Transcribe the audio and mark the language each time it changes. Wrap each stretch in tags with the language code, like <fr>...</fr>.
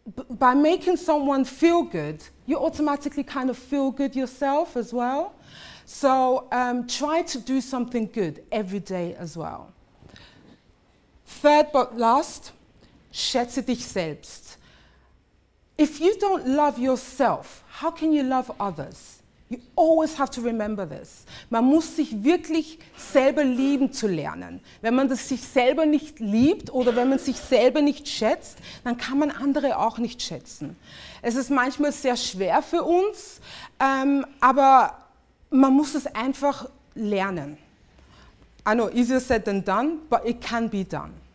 <en>By making someone feel good, you automatically kind of feel good yourself as well. So try to do something good every day as well. Third but last,</en> <de>schätze dich selbst.</de> <en>If you don't love yourself, how can you love others? You always have to remember this.</en> <de>Man muss sich wirklich selber lieben zu lernen. Wenn man das sich selber nicht liebt oder wenn man sich selber nicht schätzt, dann kann man andere auch nicht schätzen. Es ist manchmal sehr schwer für uns, aber man muss es einfach lernen.</de> <en>I know, easier said than done, but it can be done.</en>